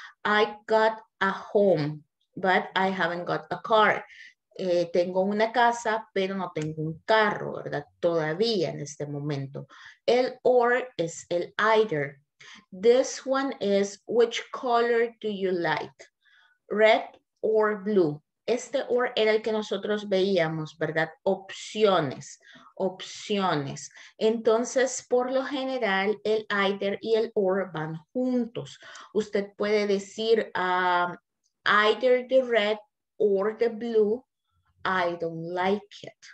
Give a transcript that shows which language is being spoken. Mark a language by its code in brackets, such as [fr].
[en] I got a home, but I haven't got a car. [es] Tengo una casa, pero no tengo un carro, ¿verdad? Todavía en este momento. El or es el either. [en] This one is which color do you like? Red or blue? [es] Este or era el que nosotros veíamos, ¿verdad? Opciones, opciones. Entonces, por lo general, el either y el or van juntos. Usted puede decir, [en] either the red or the blue, I don't like it.